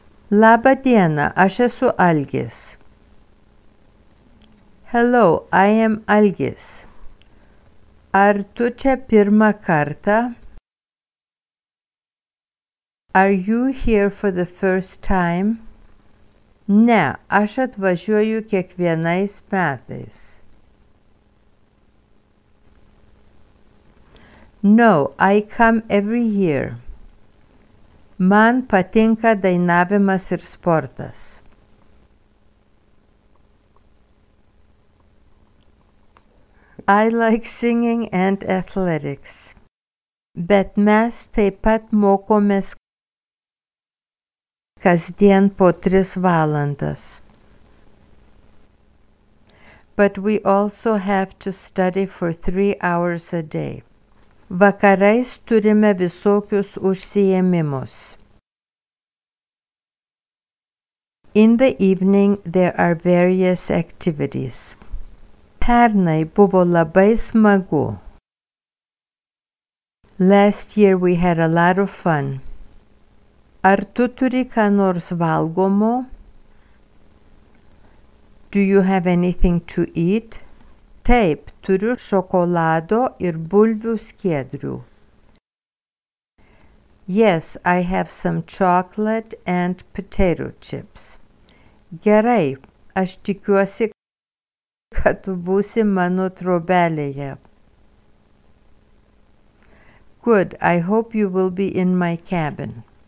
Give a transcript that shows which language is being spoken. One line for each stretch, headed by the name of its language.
Lithuanian: Labą dieną, aš esu Algis.
English: Hello, I am Algis.
Lithuanian: Ar tu čia pirmą kartą?
English: Are you here for the first time?
Lithuanian: Ne, aš atvažiuoju kiekvienais metais.
English: No, I come every year.
Lithuanian: Man patinka dainavimas ir sportas.
English: I like singing and athletics.
Lithuanian: Bet mes taip pat mokomės kasdien po 3 valandas.
English: But we also have to study for 3 hours a day.
Lithuanian: Vakarais turime visokius užsiėmimus.
English: In the evening there are various activities.
Lithuanian: Pernai buvo labai smagu.
English: Last year we had a lot of fun.
Lithuanian: Ar tu turi ką nors valgomo?
English: Do you have anything to eat?
Lithuanian: Taip, turiu šokolado ir bulvių skiedrių.
English: Yes, I have some chocolate and potato chips.
Lithuanian: Gerai, aš tikiuosi, kad tu būsi mano trobelėje.
English: Good, I hope you will be in my cabin.